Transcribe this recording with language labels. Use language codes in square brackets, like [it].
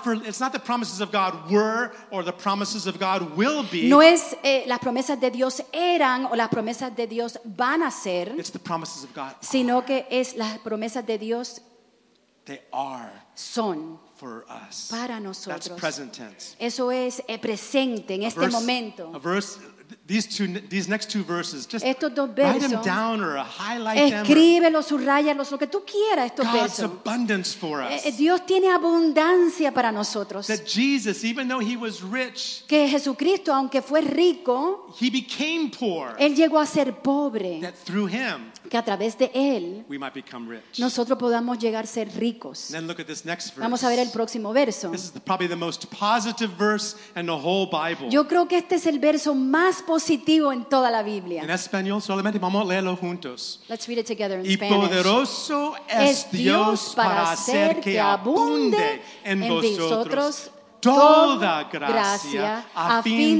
[en] It's not the promises of God were or the promises of God will be. [es] No es las promesas de Dios eran o las promesas de Dios van a ser. [en] It's the promises of God. [es] Sino [en] are [es] que es las promesas de Dios. [en] They are. [es] Son. [en] For us. [es] Para nosotros. [en] That's present tense. [es] Eso es presente en [en] a [es] este [en] verse, [es] momento. [en] A verse, these next two verses, just [es] estos dos versos, [en] write them down or highlight [es] escríbelo, [en] them. [es] Subrayalos, lo que tú quieras estos [en] God's [es] versos. [en] Abundance for us. [es] Dios tiene abundancia para nosotros. [en] That Jesus, even though he was rich, [es] que Jesucristo, aunque fue rico, [en] he became poor. [es] Él llegó a ser pobre. [en] That through him, [es] que a través de él [en] we might become rich. [es] Nosotros podamos llegar a ser ricos. [en] Then look at this next verse. [es] Vamos a ver el próximo verso. [en] This is probably the most positive verse in the whole Bible. [es] Yo creo que este es el verso más positivo en toda la Biblia. En español solamente vamos a leerlo juntos. [en] Let's read it together in [es] y [en] Spanish. [es] Y poderoso es Dios para hacer que abunde en vosotros toda gracia a fin